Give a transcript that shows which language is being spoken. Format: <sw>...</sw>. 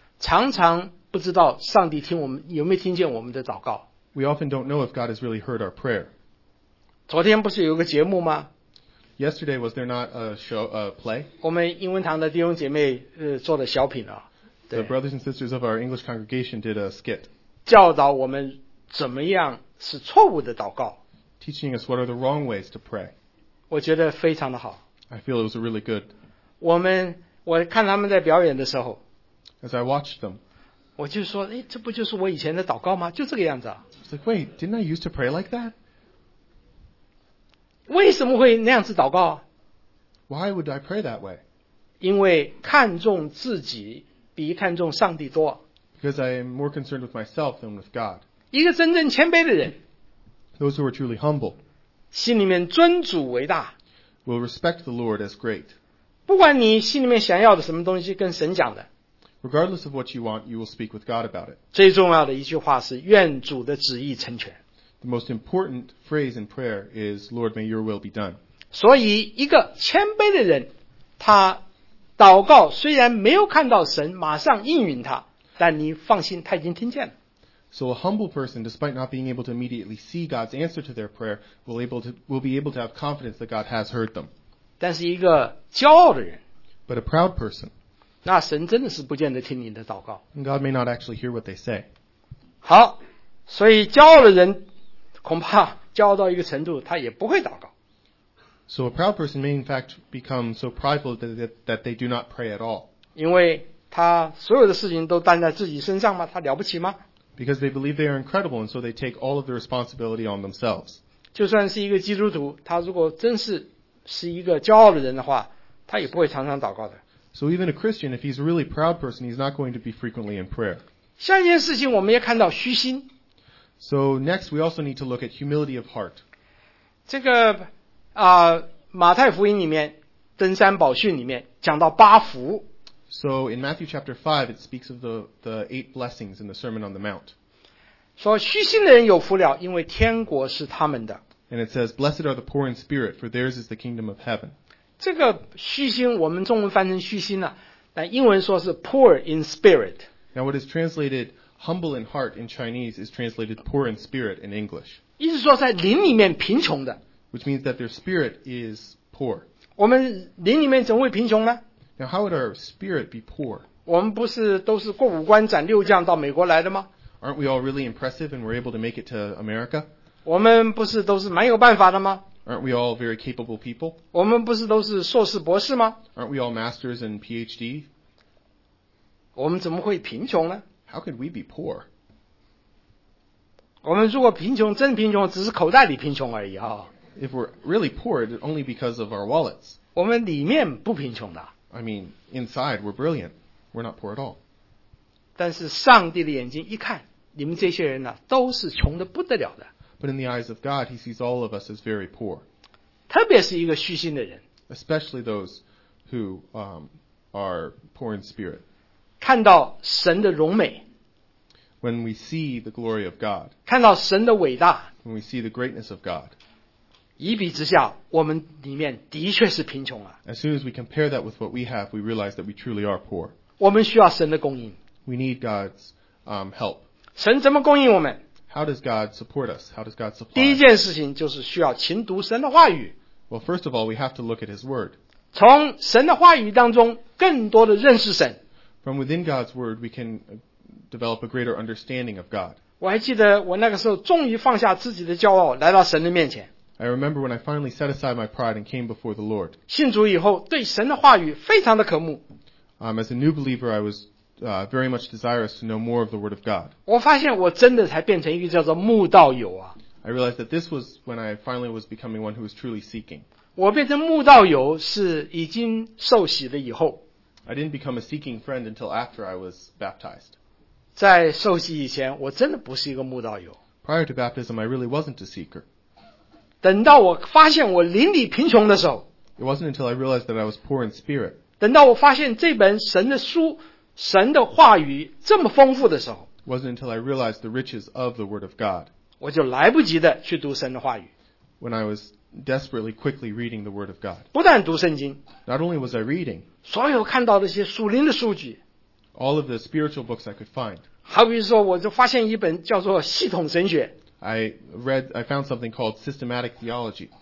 <zh>常常不知道上帝听我们有没有听见我们的祷告。</zh> <en>We often don't know if God has really heard our prayer.</en> <zh>昨天不是有个节目吗？</zh> <en>Yesterday, was there not a show, a play?</en> <zh>我们英文堂的弟兄姐妹做的小品啊。</zh> <en>The brothers and sisters of our English congregation did a skit.</en> <zh>教导我们怎么样是错误的祷告。</zh> <en>Teaching us what are the wrong ways to pray.</en> <zh>我觉得非常的好。</zh> <en>I feel it was really good.</en> <zh>我看他们在表演的时候。</zh> <en>As I watched them.</en> <zh>我就说，哎，这不就是我以前的祷告吗？就这个样子啊。</zh> <en>I was like, wait, didn't I used to pray like that?</en> <zh>为什么会那样子祷告？</zh> <en>Why would I pray that way?</en> <zh>因为看重自己比看重上帝多。</zh> <en>Because I am more concerned with myself than with God.</en> <zh>一个真正谦卑的人。</zh> <en>Those who are truly humble.</en> <zh>心里面尊主为大。</zh> <en>Will respect the Lord as great.</en> <zh>不管你心里面想要的什么东西跟神讲的。</zh> <en>Regardless of what you want, you will speak with God about it.</en> <zh>最重要的一句话是愿主的旨意成全。</zh> <en>The most important phrase in prayer is, Lord, may your will be done.</en> <zh>所以一个谦卑的人，他祷告虽然没有看到神马上应允他，但你放心，他已经听见了。</zh> <en>So a humble person, despite not being able to immediately see God's answer to their prayer, will be able to have confidence that God has heard them.</en> <zh>但是一个骄傲的人，</zh> <en>But a proud person,</en> <zh>那神真的是不见得听你的祷告。</zh> <en>And God may not actually hear what they say.</en> <zh>好，所以骄傲的人恐怕骄傲到一个程度，他也不会祷告。</zh> <en>So a proud person may in fact become so prideful that they do not pray at all.</en> <zh>因为他所有的事情都担在自己身上吗？他了不起吗？</zh> <en>Because they believe they are incredible, and so they take all of the responsibility on themselves.</en> <zh>就算是一个基督徒，他如果真是一个骄傲的人的话，他也不会常常祷告的。</zh> <en>So even a Christian, if he's a really proud person, he's not going to be frequently in prayer.</en> <zh>下一件事情，我们也看到虚心。</zh> <en>So next, we also need to look at humility of heart.</en> <zh>这个马太福音里面登山宝训里面讲到八福。</zh> <en>So in Matthew chapter 5, it speaks of the eight blessings in the Sermon on the Mount.</en> <zh>说虚心的人有福了，因为天国是他们的。</zh> <en>And it says, blessed are the poor in spirit, for theirs is the kingdom of heaven.</en> <zh>这个虚心，我们中文翻成虚心了，但英文说是</zh> <en>poor in spirit. Now what is translatedHumble in heart in Chinese is translated poor in spirit in English.</en> <zh>意思说在灵里面贫穷的。</zh> <en>Which means that their spirit is poor.</en> <zh>我们灵里面怎么会贫穷呢？</zh> <en>Now how would our spirit be poor?</en> <zh>我们不是都是过五关斩六将到美国来的吗？</zh> <en>Aren't we all really impressive and we're able to make it to America?</en> <zh>我们不是都是蛮有办法的吗？</zh> <en>Aren't we all very capable people?</en> <zh>我们不是都是硕士博士吗？</zh> <en>Aren't we all masters and PhD?</en> <zh>我们怎么会贫穷呢？</zh> <en>How could we be poor?</en> <zh>我们如果贫穷，真贫穷，只是口袋里贫穷而已啊。</zh> <en>If we're really poor, it's only because of our wallets.</en> <zh>我们里面不贫穷的。</zh> <en>I mean, inside we're brilliant. We're not poor at all.</en> <zh>但是上帝的眼睛一看，你们这些人呢，都是穷得不得了的。</zh> <en>But in the eyes of God, he sees all of us as very poor.</en> <zh>特别是一个虚心的人。</zh> <en>Especially those who are poor in spirit.</en> <zh>看到神的荣美</zh> <en>，When we see the glory of God，</en> <zh>看到神的伟大</zh> <en>，When we see the greatness of God，</en> <zh>一比之下，我们里面的确是贫穷啊。</zh> <en>As soon as we compare that with what we have， we realize that we truly are poor。</en> <zh>我们需要神的供应</zh> <en>，We need God's help。</en> <zh>神怎么供应我们</zh> <en>？How does God support us？ How does God supply？</en> <zh>第一件事情就是需要勤读神的话语。</zh> <en>Well， first of all， we have to look at His word。</en> <zh>从神的话语当中，更多的认识神。</zh> <en>From within God's word, we can develop a greater understanding of God.</en> <zh>我还记得我那个时候终于放下自己的骄傲，来到神的面前。</zh> <en>I remember when I finally set aside my pride and came before the Lord.</en> <zh>信主以后，对神的话语非常的渴慕。</zh> <en>As a new believer, I was very much desirous to know more of the word of God.</en> <zh>我发现我真的才变成一个叫做慕道友啊。</zh> <en>I realized that this was when I finally was becoming one who was truly seeking.</en> <zh>我变成慕道友是已经受洗了以后。</zh> <en>I didn't become a seeking friend until after I was baptized.</en> <zh>在受洗以前，我真的不是一个慕道友。</zh> <en>Prior to baptism, I really wasn't a seeker.</en> <zh>等到我发现我灵里贫穷的时候，</zh> <en>It wasn't until I realized that I was poor in spirit.</en> <zh>等到我发现这本神的书、神的话语这么丰富的时候，</zh> <en>It wasn't until I realized the riches of the Word of God.</en> <zh>我就来不及的去读神的话语。</zh> <en>When I was desperately quickly reading the Word of God.</en> <zh>不但读圣经，</zh> <en>Not only was I reading.</en> <zh>所有看到的一些属灵的书籍</zh> <en>，All of the spiritual books I could find，</en> <zh>好比说，我就发现一本叫做《系统神学》</zh> <en>I found something called systematic theology.</en>